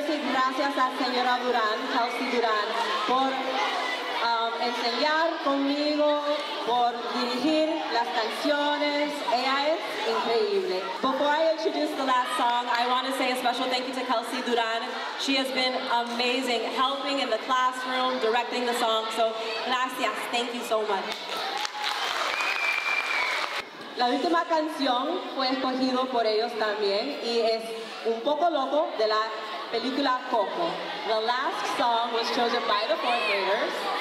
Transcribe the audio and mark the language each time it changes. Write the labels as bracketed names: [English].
[Spanish] gracias a señora Durán, Kelsey Durán, por enseñar conmigo, por dirigir las canciones. Ella es increíble. [English] Before I introduce the last song, I want to say a special thank you to Kelsey Durán. She has been amazing, helping in the classroom, directing the song. So, [Spanish] gracias. [English] Thank you so much. [Spanish] La última canción fue escogido por ellos también y es un poco loco de la película Coco. [English] The last song was chosen by the fourth graders.